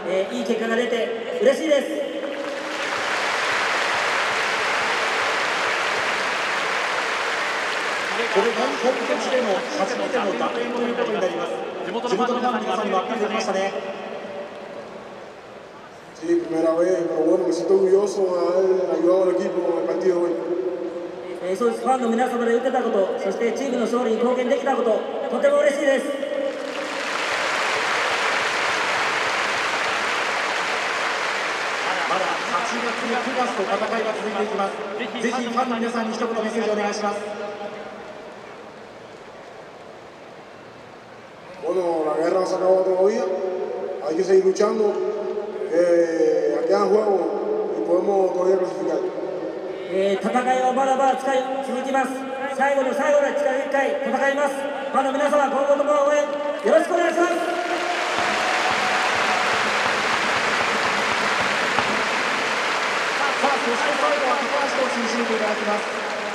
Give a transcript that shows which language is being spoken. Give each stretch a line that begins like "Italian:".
Japanese: いい結果が出て嬉しいです。これが本拠地での初めての打点ということになります。地元のファンの皆さんにもアピールできましたね。
Spanish: Sí, primera vez, pero bueno, me siento orgulloso de haber ayudado al equipo en el partido hoy.
Japanese: そうです、ファンの皆様で受けたこと、そしてチームの勝利に貢献できたこと、とても嬉しいです。まだ8月に9月と戦いが続いていきます。ぜひファンの皆さんに一言メッセージをお願いします。
Spanish: Bueno, la guerra se acabó todavía. Hay que seguir luchando. Aquí hay juego y podemos todavía clasificar.
Japanese: 戦いはまだまだ続きます。最後の最後で力一回戦います。ファンの皆様、今後とも応援よろしくお願いします。さあ、そして最後は高橋投手に締めていただきます。